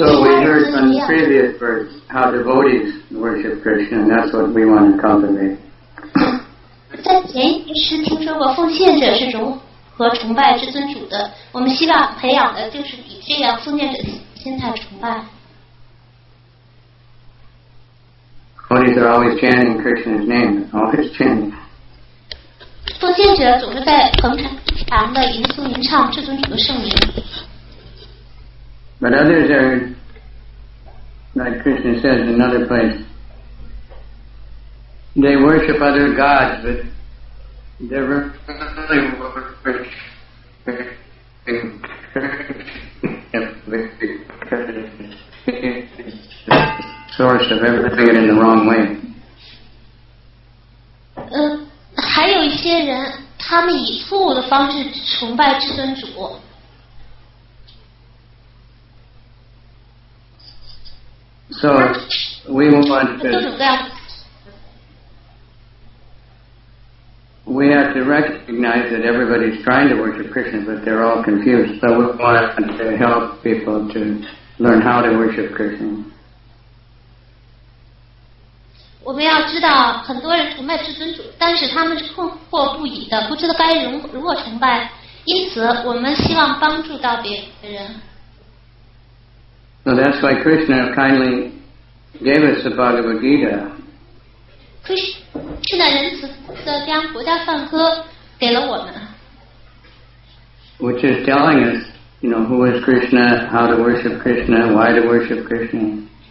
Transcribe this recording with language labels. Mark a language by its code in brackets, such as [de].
[en] So we heard from the previous verse how devotees worship Krishna, and that's what we want to cultivate. [zh] 在前一世听说过奉献者是如何崇拜至尊主的，我们希望培养的就是以这样奉献者的心态崇拜。 [en] Devotees are always chanting Krishna's name, always chanting. [zh] 奉献者总是在恒常的吟诵吟唱至尊主的圣名。 [en] But others are, like Krishna says in another place, they worship other gods, but they're really worshiping the source of everything in the wrong way. [zh] 还有一些人，他们以错误的方式崇拜至尊主。 [en] So we want to. We have to recognize that everybody's trying to worship Krishna, but they're all confused. So we want to help people to learn how to worship Krishna. [zh] 我们要知道，很多人崇拜至尊主，但是他们是困惑不已的，不知道该如何崇拜。因此，我们希望帮助到别人。 [en] So that's why Krishna kindly gave us the Bhagavad Gita. [zh] Krishna 仁慈地将国家梵歌给了我们。 [en] Which is telling us, you know, who is Krishna, how to worship Krishna, why to worship Krishna.